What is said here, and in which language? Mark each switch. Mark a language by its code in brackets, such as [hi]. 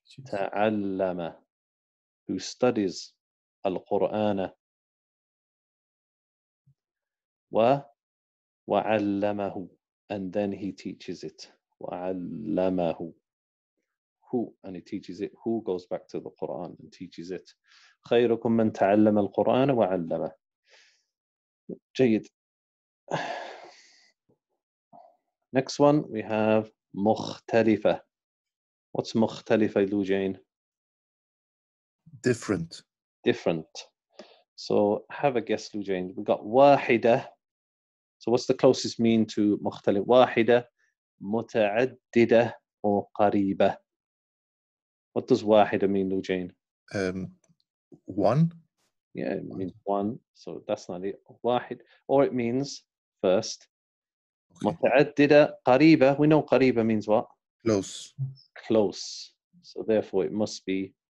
[en] Ta'allama. Who studies al-Qur'ana. Wa'allamahu. And then he teaches it. Wa'allamahu. Who? And he teaches it. Who goes back to the Qur'an and teaches it? [ar] خيركم من تعلم القرآن وعلمه. جيد. [en] Next one we have مختلفة. What's مختلفة, Lou Jane? Different. Different. So have a guess, Lou Jane. We got واحدة. So what's the closest mean to مختلفة? [ar] واحدة, متعددة, or قريبة. [en] What does واحدة mean, Lou Jane? One? Yeah, it means one. So that's not it. واحد. Or it means first. [ar] متعددة قريبة. [en] We know قريبة means what? Close. Close. So therefore it must be